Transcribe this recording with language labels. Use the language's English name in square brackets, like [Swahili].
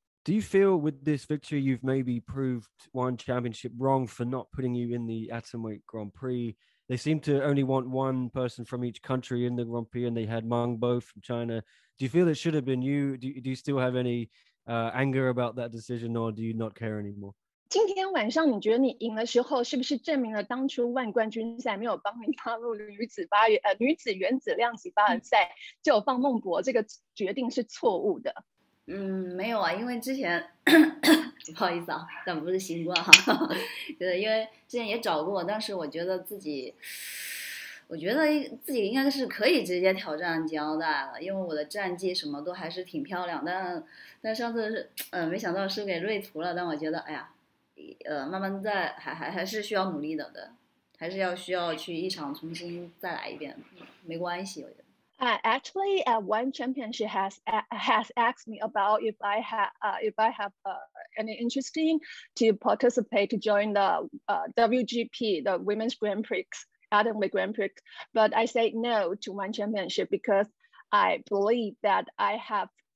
[English] Do you feel with this victory, you've maybe proved one championship wrong for not putting you in the Atomweight Grand Prix? They seem to only want one person from each country in the Grand Prix, and they had Meng Bo from China. Do you feel it should have been you? Do you still have any anger about that decision, or do you not care anymore? [Chinese] 今天晚上你觉得你赢的时候，是不是证明了当初万冠军赛没有帮你踏入女子原子量级八人赛，就放孟博这个决定是错误的？没有啊，因为之前不好意思啊，但不是新冠哈，对，因为之前也找过，但是我觉得自己应该是可以直接挑战焦代了，因为我的战绩什么都还是挺漂亮，但上次没想到输给瑞图了，但我觉得哎呀，慢慢再还是需要努力的，还是需要去一场重新再来一遍，没关系，我觉得。 [English] Actually, one championship has asked me about if I have any interesting to participate to join the WGP, the Women's Grand Prix, Atomweight Grand Prix. But I say no to one championship because I believe that I have